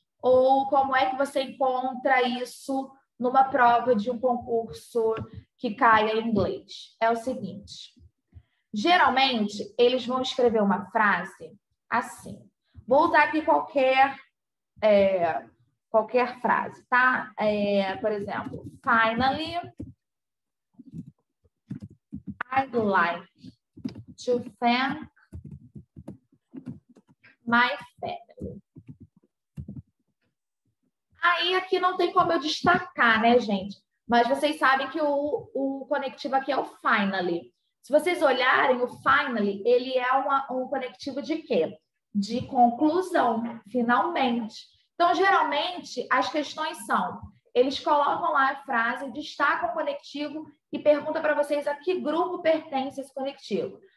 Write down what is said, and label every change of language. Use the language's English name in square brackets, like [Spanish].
[Portuguese] Ou como é que você encontra isso numa prova de um concurso que caia em inglês? É o seguinte. Geralmente, eles vão escrever uma frase assim. Vou usar aqui qualquer frase, tá? Por exemplo, [English] finally, I'd like to thank my family. [Portuguese] Aí, aqui não tem como eu destacar, né, gente? Mas vocês sabem que o conectivo aqui é o finally. Se vocês olharem, o finally, ele é um conectivo de quê? De conclusão, finalmente. Então, geralmente, as questões são, eles colocam lá a frase, destacam o conectivo e perguntam para vocês a que grupo pertence esse conectivo.